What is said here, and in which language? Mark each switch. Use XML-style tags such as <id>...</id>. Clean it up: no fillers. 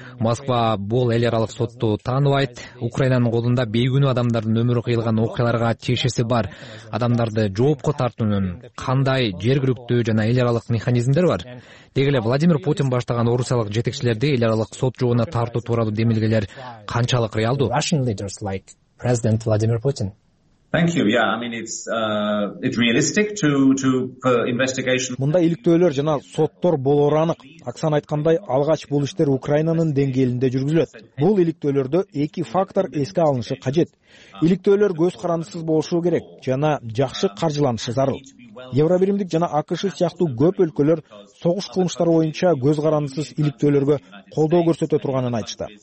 <ky>Москва бул эл аралык сотту тааныбайт. Украинанын колунда бейкүнөө адамдардын өмүрү кыйылган окуяларга тиешеси бар. Адамдарды жоопко тартуунун кандай жергиликтүү жана эл аралык механизмдер бар? Деги эле Владимир Путин баштаган орусиялык жетекчилерди эл аралык сот жообуна тартуу тууралуу демилгелер канчалык реалдуу?</ky> <en>President Владимир Путин. Thank you. Yeah, I mean it's realistic to for investigation.</en> <ky>Мындай иликтөөлөр жана соттор болору анык. Оксана айткандай, алгач бул иштер Украинанын деңгээлинде жүргүзүлөт. Бул иликтөөлөрдө эки фактор эске алынышы кажет. Иликтөөлөр көз карандысыз болушу керек жана жакшы каржыланышы зарыл. Евробиримдик жана АКШ сыяктуу көп өлкөлөр согуш кылмыштары боюнча көз карандысыз иликтөөлөргө колдоо көрсөтө турганын айтышты.</ky>